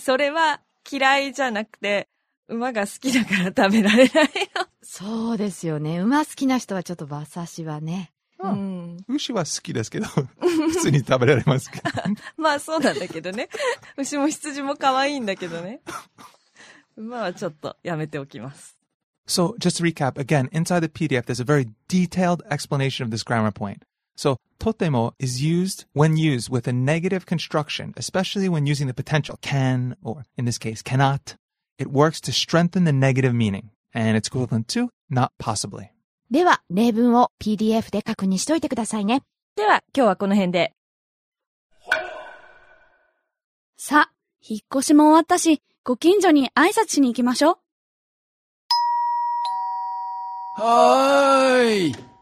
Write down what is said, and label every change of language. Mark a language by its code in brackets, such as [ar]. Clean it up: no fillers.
[ja] それは嫌いじゃなくて、馬が好きだから食べられないよ。そうですよね。馬好きな人はちょっと馬刺しはね。うん。牛は好きですけど、普通に食べられますけど。まあそうなんだけどね。牛も羊も可愛いんだけどね。馬はちょっとやめておきます。 [en] So, just to recap, again, inside the PDF, there's a very detailed explanation of this grammar point. So, とても is used when used with a negative construction, especially when using the potential can, or in this case, cannot. It works to strengthen the negative meaning, and it's equivalent to not possibly. [ja] では、例文を PDF で確認しておいてくださいね。では、今日はこの辺で。さ、引っ越しも終わったし、ご近所に挨拶しに行きましょう。はーい。